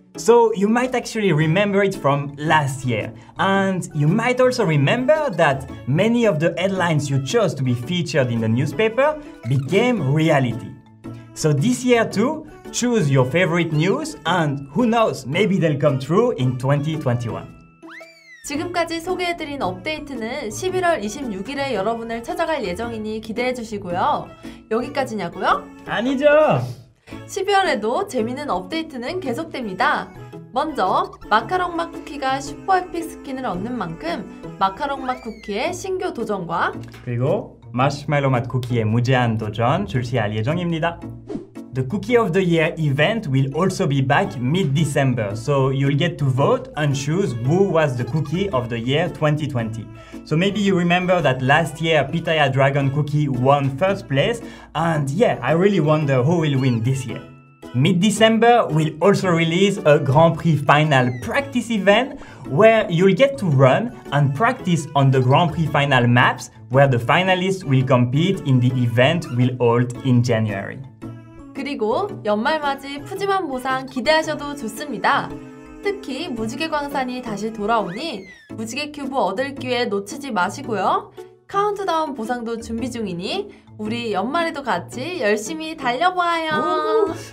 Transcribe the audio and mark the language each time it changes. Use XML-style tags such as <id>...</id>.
<en>So you might actually remember it from last year. And you might also remember that many of the headlines you chose to be featured in the newspaper became reality. So this year too, choose your favorite news and who knows, maybe they'll come true in 2021.</en> <ko>지금까지 소개해드린 업데이트는 11월 26일에 여러분을 찾아갈 예정이니 기대해주시고요. 여기까지냐고요? 아니죠! 12월에도 재미있는 업데이트는 계속됩니다. 먼저 마카롱 맛쿠키가 슈퍼 에픽 스킨을 얻는 만큼 마카롱 맛쿠키의 신규 도전과 그리고 마시멜로 맛쿠키의 무제한 도전 출시할 예정입니다.</ko> <en>The Cookie of the Year event will also be back mid-December, so you'll get to vote and choose who was the Cookie of the Year 2020. So maybe you remember that last year Pitaya Dragon Cookie won first place, and yeah, I really wonder who will win this year. Mid-December, we'll also release a Grand Prix Final practice event where you'll get to run and practice on the Grand Prix Final maps where the finalists will compete in the event we'll hold in January.</en> <ko>그리고 연말 맞이 푸짐한 보상 기대하셔도 좋습니다. 특히 무지개 광산이 다시 돌아오니 무지개 큐브 얻을 기회 놓치지 마시고요. 카운트다운 보상도 준비 중이니 우리 연말에도 같이 열심히 달려봐요.</ko>